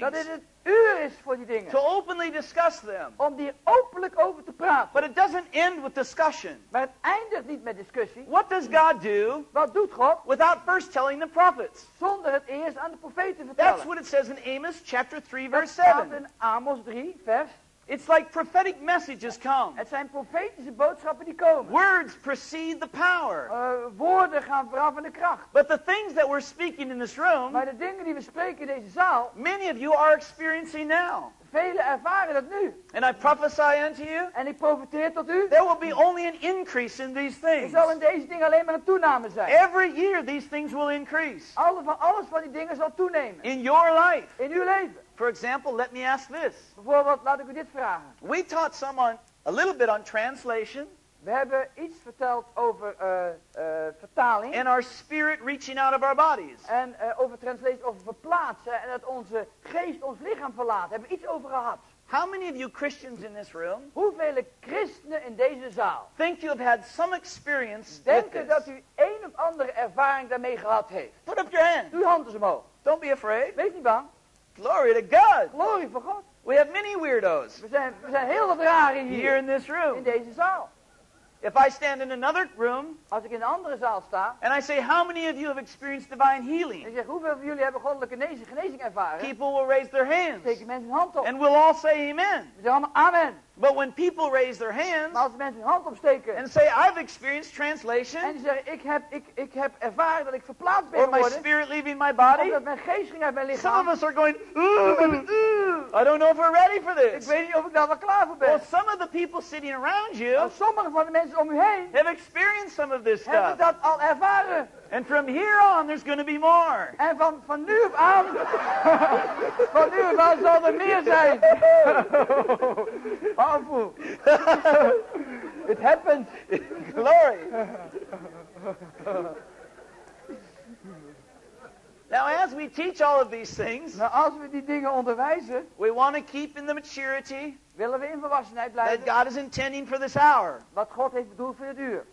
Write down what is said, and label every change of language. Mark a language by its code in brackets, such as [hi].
[nl] Dat dit het uur is voor die dingen. [en] To openly discuss them. [nl] Om die openlijk over te praten. [en] But it doesn't end with discussion. [nl] Maar het eindigt niet met discussie. [en] What does God do? [nl] Wat doet God? [en] Without first telling the prophets. [nl] Zonder het eerst aan de profeten vertellen. [en] That's what it says in Amos chapter 3 verse 7. [nl] Dat staat in Amos 3 vers. [en] It's like prophetic messages come. [nl] Het zijn profetische boodschappen die komen. [en] Words precede the power. [nl] Woorden gaan vooraf in de kracht. [en] But the things that we're speaking in this room. [nl] Maar de dingen die we spreken in deze zaal. [en] Many of you are experiencing now. [nl] Vele ervaren dat nu. [en] And I prophesy unto you. [nl] En ik profeteer tot u. [en] There will be only an increase in these things. [nl] Er zal in deze dingen alleen maar een toename zijn. [en] Every year these things will increase. [nl] Alles van die dingen zal toenemen. [en] In your life. [nl] In uw leven. [en] For example, let me ask this. [nl] Bijvoorbeeld, laat ik u dit vragen. [en] We taught someone a little bit on translation. [nl] We hebben iets verteld over vertaling. [en] And our spirit reaching out of our bodies. [nl] En over translation, over verplaatsen. En dat onze geest ons lichaam verlaat. Hebben we iets over gehad. [en] How many of you Christians in this room? [nl] Hoeveel christenen in deze zaal? [en] Think you have had some experience with this? [nl] Denken dat u een of andere ervaring daarmee gehad heeft. [en] Put up your hand. [nl] Doe uw hand eens omhoog. [en] Don't be afraid. [nl] Wees niet bang. [en] Glory to God. [nl] Glory voor God. [en] We have many weirdos. [nl] We zijn heel wat rare hier. [en] Here in this room. [nl] In deze zaal. [en] If I stand in another room. [nl] Als ik in een andere zaal sta. [en] And I say, how many of you have experienced divine healing? [nl] En ik zeg, hoeveel van jullie hebben goddelijke genezing ervaren? [en] People will raise their hands. [nl] Steken mensen hun hand op. [en] And we'll all say amen. [nl] We zeggen allemaal amen. [en] But when people raise their hands. [nl] Maar als mensen hun hand opsteken. [en] And say, I've experienced translation. [nl] En die zeggen, ik heb ervaren dat ik verplaatst ben geworden. [en] Or my spirit leaving my body. [nl] Of dat mijn geest ging uit mijn lichaam. [en] Some of us are going, I don't know if we're ready for this. [nl] Ik weet niet of ik daar wel klaar voor ben. [en] Well, some of the people sitting around you. [nl] Maar sommige van de mensen om u heen. [en] Have experienced some of this stuff. [nl] Hebben dat al ervaren. [en] And from here on, there's going to be more. [nl] En van nu af aan, van nu af aan zal er meer zijn. [en] Powerful. It happened. Glory. Now, as we teach all of these things, [nl] nou, als we die dingen onderwijzen, [en] we want to keep in the maturity. [nl] Willen we in volwassenheid blijven? [en] That God is intending for this hour. [nl] Wat God heeft bedoeld voor dit uur.